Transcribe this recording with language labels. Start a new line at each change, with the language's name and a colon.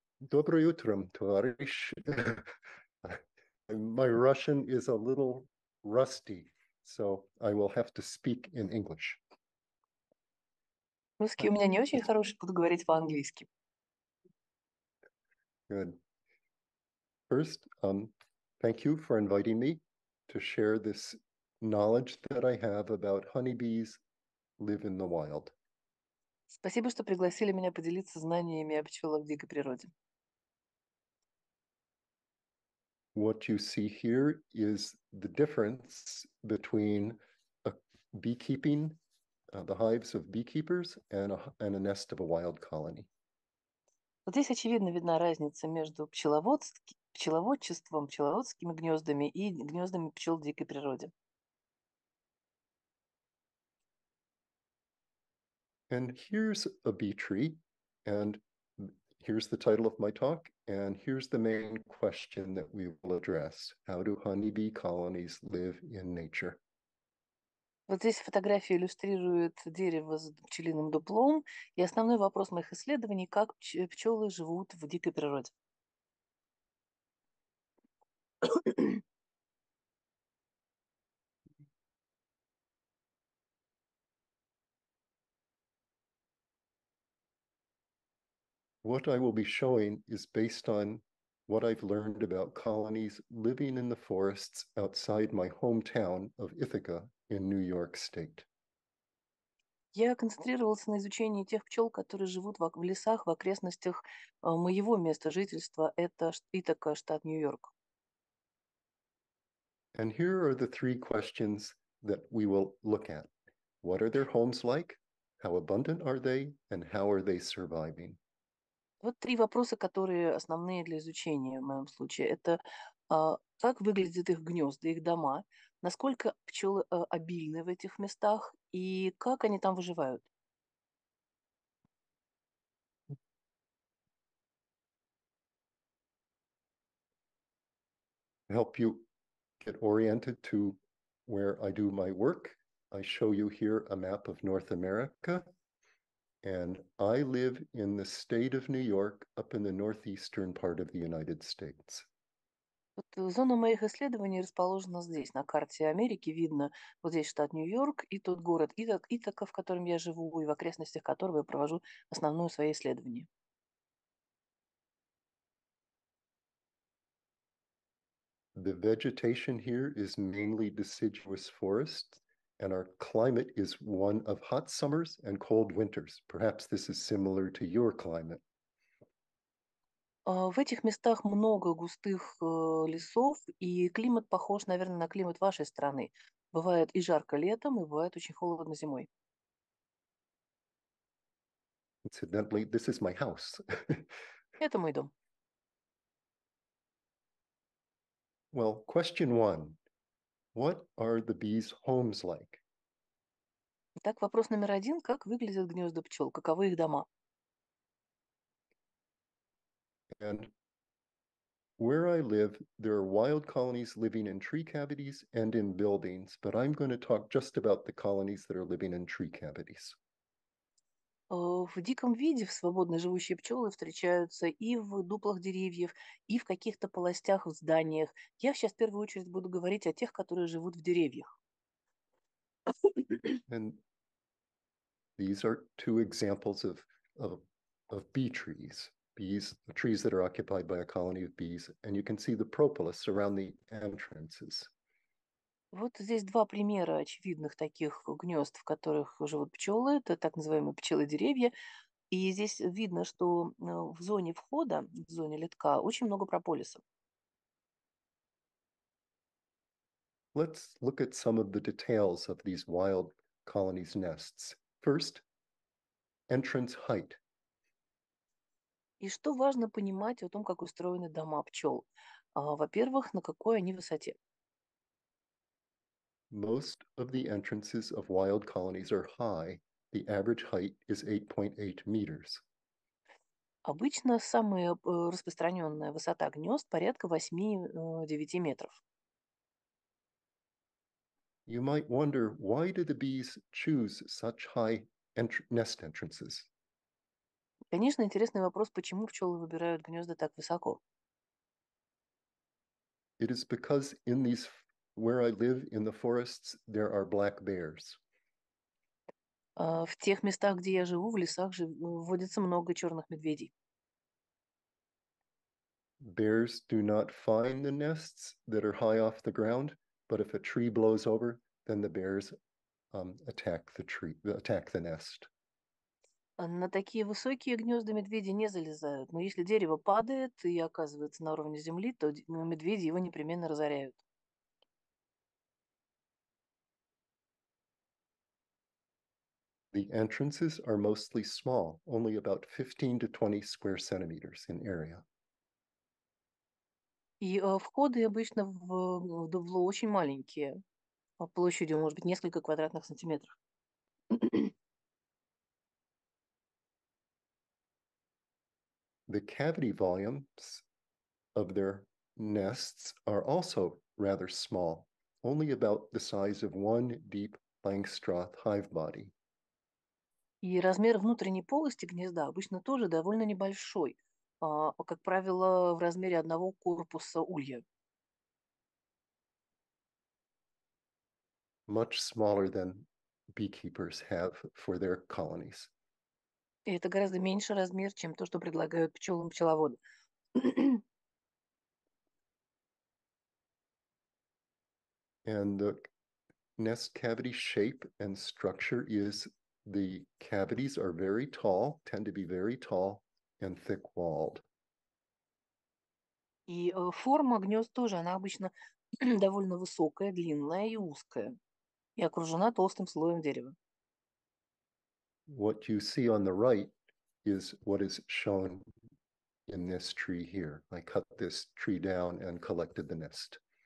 Russian: Доброе утро, товарищ.
English: My Russian is a little rusty, so I will have to speak in English.
Russian: Русский у меня не очень хороший, буду говорить по-английски.
English: Good. First, thank you for inviting me to share this knowledge that I have about honeybees live in the wild.
Russian: Спасибо, что пригласили меня поделиться знаниями о пчелах в дикой природе.
English: What you see here is the difference between a beekeeping, the hives of beekeepers, and a nest of a wild colony.
Russian: Вот здесь очевидно видна разница между пчеловодством, пчеловодскими гнездами и гнездами пчел в дикой природе.
English: And here's a bee tree, and here's the title of my talk. And here's the main question that we will address. How do honeybee colonies live in nature?
Russian: Вот здесь фотография иллюстрирует дерево с пчелиным дуплом. И основной вопрос моих исследований – как пчелы живут в дикой природе?
English: What I will be showing is based on what I've learned about colonies living in the forests outside my hometown of Ithaca in New York State.
Russian: Я концентрировался на изучении тех пчел, которые живут в лесах в окрестностях моего места жительства. Это Итака, штат Нью-Йорк.
English: And here are the three questions that we will look at. What are their homes like? How abundant are they? And how are they surviving?
Russian: Вот три вопроса, которые основные для изучения в моем случае. Это как выглядят их гнезда, их дома, насколько пчелы обильны в этих местах и как они там выживают?
English: Help you get oriented to where I do my work. I show you here a map of North America, and I live in the state of New York, up in the northeastern part of the United States.
Russian: Вот зона моих исследований расположена здесь, на карте Америки. Видно, вот здесь штат Нью-Йорк и тот город Итака, в котором я живу, и в окрестностях которого я провожу основное свое исследование.
English: The vegetation here is mainly deciduous forest, and our climate is one of hot summers and cold winters. Perhaps this is similar to your climate.
Russian: В этих местах много густых лесов, и климат похож, наверное, на климат вашей страны. Бывает и жарко летом, и бывает очень холодно зимой.
English: Incidentally, this is my house.
Russian: Это мой дом.
English: Well, question one. What are the bees' homes like?
Russian: Итак, вопрос номер один. Как выглядят гнезда пчел? Каковы их дома?
English: And where I live, there are wild colonies living in tree cavities and in buildings, but I'm going to talk just about the colonies that are living in tree cavities.
Russian: В диком виде в свободно живущие пчелы встречаются и в дуплах деревьев, и в каких-то полостях в зданиях. Я сейчас в первую очередь буду говорить о тех, которые живут в деревьях.
English: And these are two examples of bee trees. Bees, trees that are occupied by a colony of bees, and you can see the propolis around the entrances.
Russian: Вот здесь два примера очевидных таких гнезд, в которых живут пчелы, это так называемые пчелы-деревья. И здесь видно, что в зоне входа, в зоне литка, очень много прополиса.
English: Let's look at some of the details of these wild colonies' nests. First, entrance height.
Russian: И что важно понимать о том, как устроены дома пчел? Во-первых, на какой они высоте?
English: Most of the entrances of wild colonies are high. The average height is 8.8 meters.
Russian: Обычно самая распространенная высота гнезд порядка 8-9 метров.
English: You might wonder, why do the bees choose such high nest entrances?
Russian: Конечно, интересный вопрос, почему пчелы выбирают гнезда так высоко?
English: It is because in these where I live in the forests, there are black bears.
Russian: В тех местах, где я живу, в лесах, водится много черных медведей.
English: Bears do not find the nests that are high off the ground, but if a tree blows over, then the bears attack the nest.
Russian: На такие высокие гнезда медведи не залезают, но если дерево падает и оказывается на уровне земли, то медведи его непременно разоряют.
English: The entrances are mostly small, only about 15 to 20 square centimeters in area.
Russian: И входы обычно в дупло очень маленькие, площадью, может быть, несколько квадратных сантиметров.
English: The cavity volumes of their nests are also rather small, only about the size of one deep Langstroth hive body.
Russian: И размер внутренней полости гнезда обычно тоже довольно небольшой, как правило, в размере одного корпуса улья.
English: Much smaller than beekeepers have for their colonies.
Russian: И это гораздо меньше размер, чем то, что предлагают пчелам пчеловоды.
English: And the nest cavity shape and structure is the cavities are very tall, tend to be very tall and thick-walled.
Russian: И форма гнезд тоже, она обычно довольно высокая, длинная и узкая, и окружена толстым слоем дерева.
English: What you see on the right is what is shown in this tree here. I cut this tree down and collected the nest.